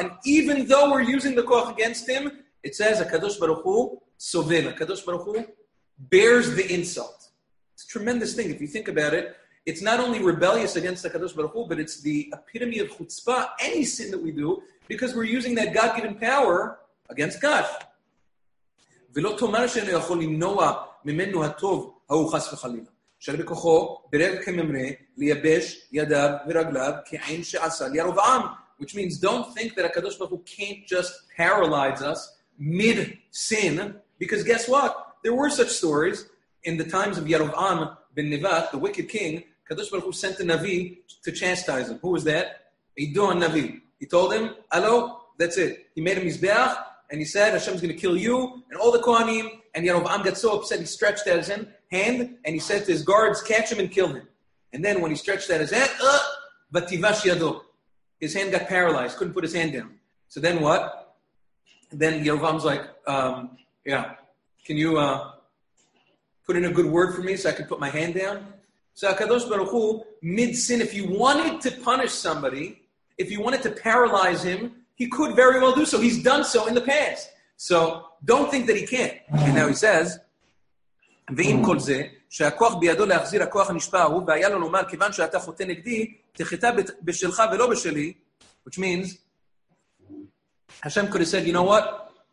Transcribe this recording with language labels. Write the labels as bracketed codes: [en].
[en] And even though we're using the koach against him, it says, HaKadosh Baruch Hu sovel. HaKadosh Baruch Hu bears the insult. It's a tremendous thing. If you think about it, it's not only rebellious against the HaKadosh Baruch Hu, but it's the epitome of chutzpah, any sin that we do, because we're using that God-given power against God. [he] ולא תאמר שאני יכול למנוע ממנו הטוב, ההוא חס וחלילה. שאלה בכוחו, ברגע כממרה, לייבש ידיו ורגליו, כעין שעשה לירובעם. [en] Which means, don't think that HaKadosh Baruch Hu can't just paralyze us mid-sin, because guess what? There were such stories in the times of Yerobam ben Nevat, the wicked king. HaKadosh Baruch Hu sent a Navi to chastise him. Who was that? Ido Navi. He told him, hello, that's it. He made him his mizbeach, and he said, Hashem's going to kill you and all the Kohanim. And Yerobam got so upset, he stretched out his hand and he said to his guards, catch him and kill him. And then when he stretched out his hand, vativash yado. His hand got paralyzed, couldn't put his hand down. So then what? Then Yerobam's like, yeah, can you put in a good word for me so I can put my hand down? So HaKadosh Baruch Hu, mid-sin, if you wanted to punish somebody, if you wanted to paralyze him, he could very well do so. He's done so in the past. So don't think that he can't. And now he says, ואם כל זה, שהכוח בידו להחזיר הכוח הנשפעו, והיה לו לומר, כיוון שאתה חוטא נגדי, תחטא בשלך ולא בשלי, which means, Hashem could have said, you know what?